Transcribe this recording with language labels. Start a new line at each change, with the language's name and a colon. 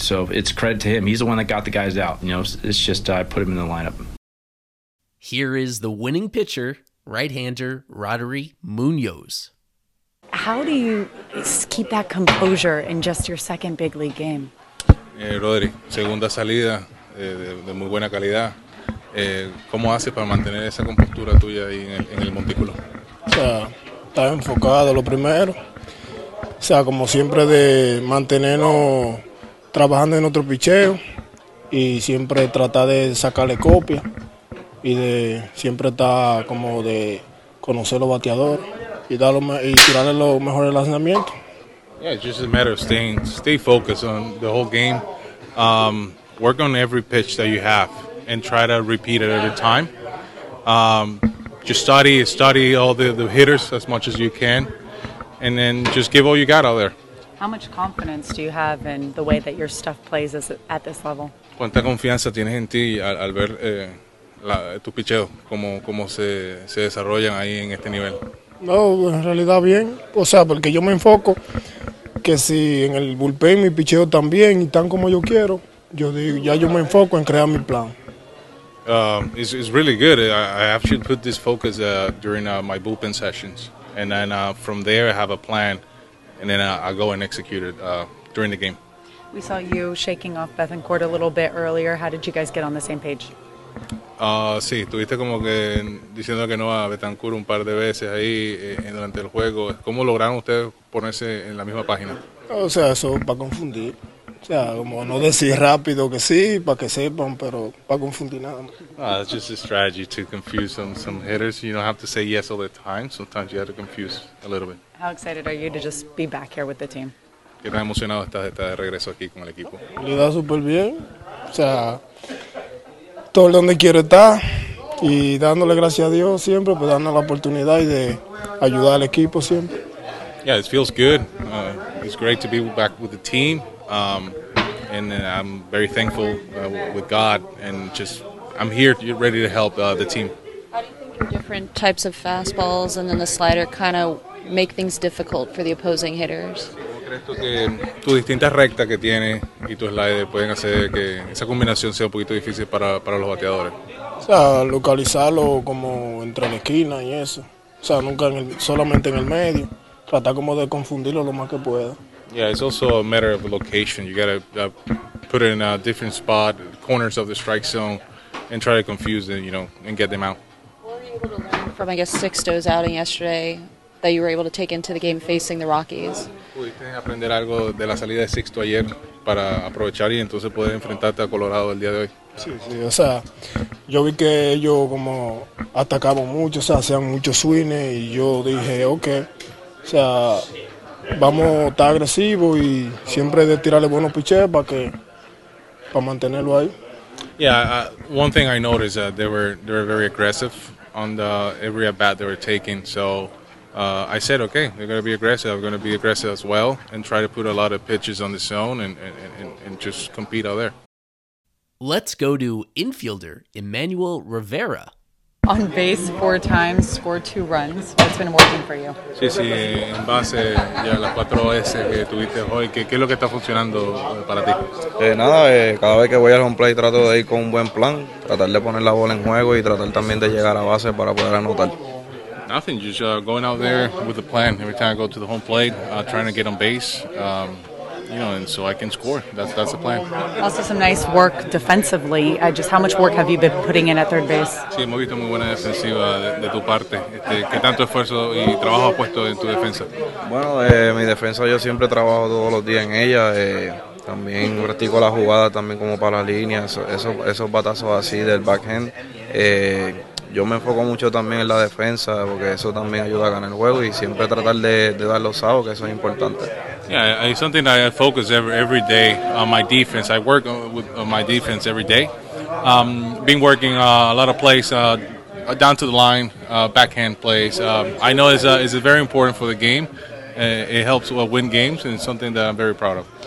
English: So it's credit to him. He's the one that got the guys out. It's just I put him in the lineup. Here is the winning pitcher, right-hander Rodery Munoz. How do you keep that composure in just your second big league game?
Spanish: Rodri, segunda salida de muy buena calidad. ¿Cómo haces para mantener esa compostura tuya ahí en el montículo? O sea, está enfocado lo primero. O sea, como siempre de mantenernos trabajando en otro picheo y siempre tratar de sacarle copia y de siempre estar como de conocer los bateadores y tirarle los mejores lanzamientos.
English: Yeah, it's just a matter of staying, stay focused on the whole game. Work on every pitch that you have and try to repeat it every time. Just study all the hitters as much as you can, and then just give all you got out there. How much confidence do you have in the way that your stuff plays at this level?
Spanish: ¿Cuánta confianza tienes en ti al ver tu picheo, cómo se desarrollan ahí en este nivel? No, en realidad bien. O sea, porque yo me enfoco que si en el bullpen mi picheo están bien y están como yo quiero, yo digo, ya yo me enfoco en crear mi plan.
English: It's really good. I actually put this focus during my bullpen sessions. And then from there I have a plan, and then I go and execute it during the game. We saw you shaking off Bethancourt a little bit earlier. How did you guys get on the same page?
Spanish: Sí, tuviste como que diciendo que no a Bethancourt un par de veces ahí durante el juego. ¿Cómo lograron ustedes ponerse en la misma página? O sea, eso para confundir. O sea, como no decir rápido que sí, para que sepan, pero para confundir nada más.
English: It's just a strategy to confuse some hitters. You don't have to say yes all the time. Sometimes you have to confuse a little bit. How excited are you to just be back here with the team?
Spanish: ¿Qué tan emocionado estás de regreso aquí con el equipo? Le da súper bien. O sea, todo donde quiero estar y dándole gracias a Dios siempre, pues dando la oportunidad y de ayudar al equipo siempre.
English: Yeah, it feels good. It's great to be back with the team. And I'm very thankful with God, and just I'm here ready to help the team. How do you think your different types of fastballs and then the slider kind of make things difficult for the opposing hitters?
Spanish: Tu distinta recta que tiene y tu slider pueden hacer que esa combinación sea un poquito difícil para los bateadores. O sea, localizarlo como entre la esquina y eso. O sea, nunca en el, solamente en el medio. Tratar como de confundirlo lo más que pueda.
English: Yeah, it's also a matter of location. You gotta put it in a different spot, corners of the strike zone, and try to confuse them, you know, and get them out. What were you able to learn from, I guess, Sixto's outing yesterday that you were able to take into the game facing the Rockies?
Spanish: ¿Pudiste aprender algo de la salida de Sixto ayer para aprovechar y entonces poder enfrentarte a Colorado el día de hoy? Sí, sí, o sea, yo vi que ellos como atacaban mucho, o sea, hacían muchos swings, y yo dije, okay, o sea, vamos a estar agresivo y siempre de tirarle buenos piches para mantenerlo ahí.
English: Yeah, one thing I noticed that they were very aggressive on the every at bat they were taking. So I said, okay, they're going to be aggressive. I'm going to be aggressive as well and try to put a lot of pitches on the zone and just compete out there. Let's go to infielder Emmanuel Rivera. On base 4 times, scored 2 runs. What's been working for you?
Spanish: Sí, sí, en base ya las 4 S que tuviste hoy, ¿qué es lo que está funcionando para ti? Cada vez que voy al home plate trato de ir con un buen plan, tratar de poner la bola en juego y tratar también de llegar a base para poder anotar.
English: Nothing, just going out there with a plan. Every time I go to the home plate, trying to get on base, you know, and so I can score. That's the plan. Also, some nice work defensively. Just how much work have you been putting in at third base?
Spanish: Sí, hemos visto muy buena defensiva de tu parte. ¿Qué tanto esfuerzo y trabajo has puesto en tu defensa? Bueno, mi defensa yo siempre trabajo todos los días en ella. También practico la jugada también como para las líneas. Esos batazos así del backhand. Yo me enfoco mucho también en la defensa porque eso también ayuda a ganar el juego y siempre tratar de dar los outs, que eso es importante.
English: Yeah, it's something that I focus every day on my defense. I work with my defense every day. Been working a lot of plays down to the line, backhand plays. I know it's very important for the game. It helps win games, and it's something that I'm very proud of.